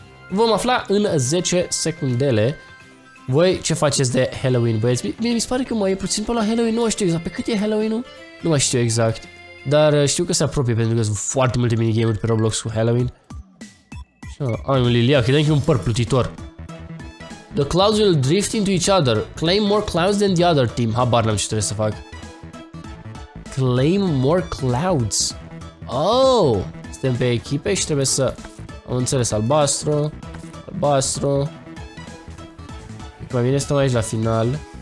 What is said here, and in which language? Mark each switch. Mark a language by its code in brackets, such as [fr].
[ro] Vom afla în 10 secundele. Voi ce faceți de Halloween, băieți? Bine, mi se pare că mai e puțin pe la Halloween, nu știu exact. Pe cât e Halloween-ul? Nu mai știu exact. Dar știu că se apropie, pentru că sunt foarte multe minigame-uri pe Roblox cu Halloween. Ai un Lilia, credeam că e un păr plutitor. [en] The clouds will drift into each other. Claim more clouds than the other team. [ro] Habar n-am ce trebuie să fac. [en] Claim more clouds. [ro] Oh! Suntem pe echipe și trebuie să... Am înțeles, albastru. Albastru. Mai bine stăm aici la final.